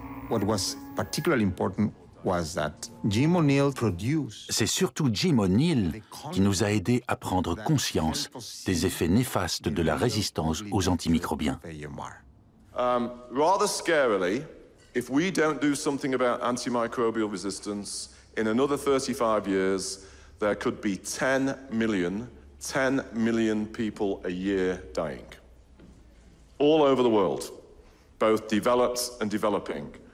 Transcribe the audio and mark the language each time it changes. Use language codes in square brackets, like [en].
[en] What was particularly important was that Jim O'Neill produced. [fr] C'est surtout Jim O'Neill qui nous a aidés à prendre conscience des effets néfastes de la résistance aux antimicrobiens. [en] Rather scarily, if we don't do something about antimicrobial resistance in another 35 years, there could be 10 million people a year dying. All over the world, both developed and developing.